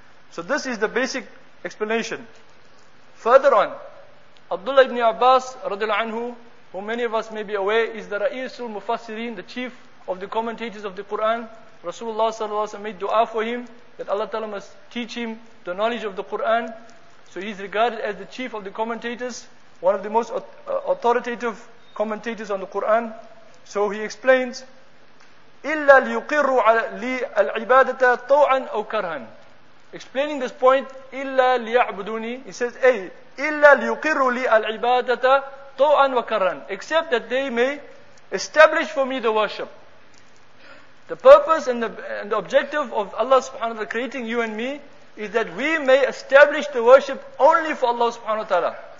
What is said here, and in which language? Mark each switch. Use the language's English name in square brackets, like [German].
[English] So this is the basic explanation. Further on, Abdullah ibn Abbas radiallahu anhu, who many of us may be aware, is the Ra'isul Mufassirin, the chief of the commentators of the Quran. Rasulullah sallallahu alaihi wasallam made dua for him that Allah ta'ala must teach him the knowledge of the Quran. So he's regarded as the chief of the commentators, one of the most authoritative commentators on the Quran. So he explains, [Arabic] إِلَّا لِيُقِرُّ عَلَى الْعِبَادَةَ طَوْعًا أَوْ كَرْهًا. [English] Explaining this point, [Arabic] إِلَّا لِيَعْبُدُونِي, [English] he says, [Arabic] إِلَّا لِيُقِرُّ لِي الْعِبَادَةَ طَوْعًا وَكَرْهًا, [English] except that they may establish for me the worship. The purpose and the objective of Allah subhanahu wa ta'ala creating you and me is that we may establish the worship only for Allah subhanahu wa ta'ala.